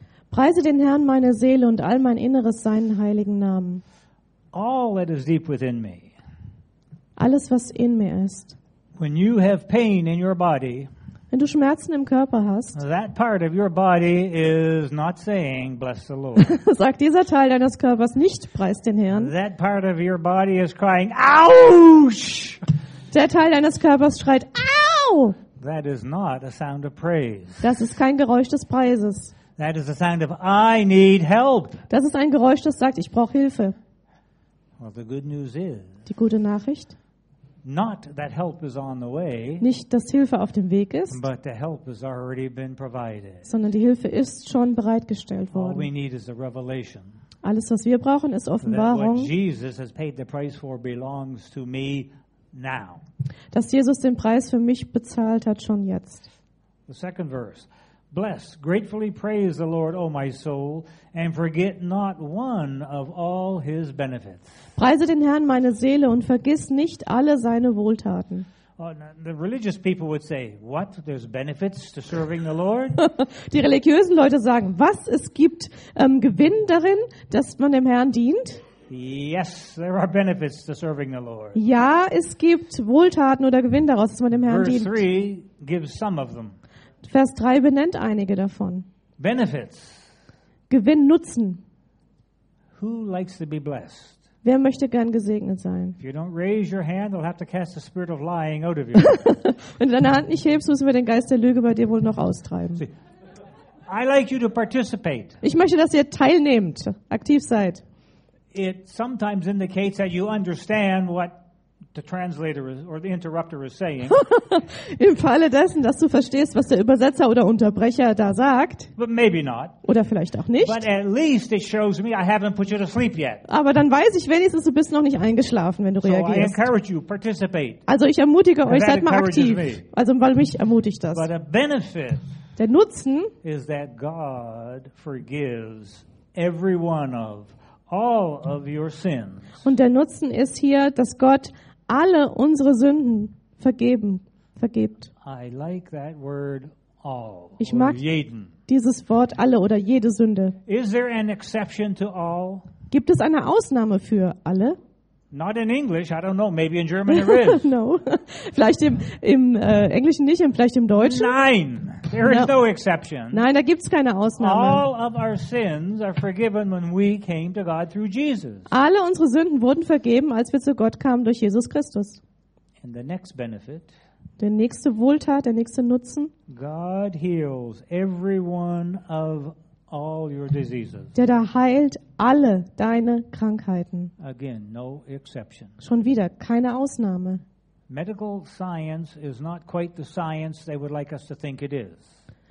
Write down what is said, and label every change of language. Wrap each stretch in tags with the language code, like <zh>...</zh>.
<de>Preise den Herrn, meine Seele, und all mein Inneres seinen heiligen Namen.</de> <en>All that is deep within me.</en> <de>Alles, was in mir ist.</de> <en>When you have pain in your body,</en> <de>wenn du Schmerzen im Körper hast,</de> <en>that part of your body is not saying, bless the Lord.</en> <de>Sagt dieser Teil deines Körpers nicht, preis den Herrn.</de> <en>That part of your body is crying, ouch!</en> <de>Der Teil deines Körpers schreit, au!</de> <en>That is not a sound of praise.</en> <de>Das ist kein Geräusch des Preises.</de> <en>That is a sound of, I need help.</en> <de>Das ist ein Geräusch, das sagt, ich brauche Hilfe.</de> <en>Well, the good news is,</en> <de>die gute Nachricht,</de> <en>not that help is on the way,</en> <de>nicht, dass Hilfe auf dem Weg ist,</de> <en>but the help has already been provided.</en> <de>Sondern die Hilfe ist schon bereitgestellt worden.</de> <en>All we need is a revelation.</en> <de>Alles, was wir brauchen, ist Offenbarung.</de> <en>What Jesus has paid the price for belongs to me now.</en> <de>Dass Jesus den Preis für mich bezahlt hat, schon jetzt.</de> <en>The second verse. Bless, gratefully praise the Lord, O my soul, and forget not one of all his benefits.</en> <de>Preise den Herrn, meine Seele, und vergiss nicht alle seine Wohltaten.</de> <en>The religious people would say, what? There's benefits to serving the Lord?</en> <de>Die religiösen Leute sagen, was? Es gibt Gewinn darin, dass man dem Herrn dient?</de> <en>Yes, there are benefits to serving the Lord.</en> <de>Ja, es gibt Wohltaten oder Gewinn daraus, dass man dem Herrn dient.</de> <en>Verse 3 gives some of them.</en> <de>Vers 3 benennt einige davon.</de> <en>Benefits.</en> <de>Gewinn, Nutzen.</de> <en>Who likes to be blessed?</en> <de>Wer möchte gern gesegnet sein?</de> <en>If you don't raise your hand, they'll have to cast the spirit of lying out of you.</en> <de>Wenn du deine Hand nicht hebst, müssen wir den Geist der Lüge bei dir wohl noch austreiben.</de> <en>See, I like you to participate.</en> <de>Ich möchte, dass ihr teilnehmt, aktiv seid.</de> <en>It sometimes indicates that you understand what the translator is, or the interrupter is saying.</en> <de>Im Falle dessen, dass du verstehst, was der Übersetzer oder Unterbrecher da sagt.</de> <en>But maybe not.</en> <de>Oder vielleicht auch nicht.</de> <en>But at least it shows me I haven't put you to sleep yet.</en> <de>Aber dann weiß ich wenigstens, du bist noch nicht eingeschlafen, wenn du reagierst.</de> <en>So I encourage you, participate.</en> <de>Also ich ermutige euch, seid mal aktiv. Also weil mich ermutigt das.</de> <en>But a benefit,</en> <de>der Nutzen,</de> <en>is that God forgives every one of all of your sins.</en> <de>Und der Nutzen ist hier, dass Gott alle unsere Sünden vergibt.</de> <en>I like that word all,</en> <de>ich mag jeden. Dieses Wort alle oder jede Sünde.</de> <en>Is there an exception to all?</en> <de>Gibt es eine Ausnahme für alle?</de> <en>Not in English, I don't know, maybe in German there is. No.</en> <de>Vielleicht im Englischen nicht, vielleicht im Deutschen.</de> <en>Nein, there is no exception.</en> <de>Nein, da gibt's keine Ausnahme.</de> <en>All of our sins are forgiven when we came to God through Jesus.</en> <de>Alle unsere Sünden wurden vergeben, als wir zu Gott kamen durch Jesus Christus.</de> <en>And the next benefit.</en> <de>Der nächste Wohltat, der nächste Nutzen.</de> <en>God heals every one of all your diseases.</en> <de>Der da heilt alle deine Krankheiten.</de> <en>Again, no exception.</en> <de>Schon wieder keine Ausnahme.</de> <en>Medical science is not quite the science they would like us to think it is.</en>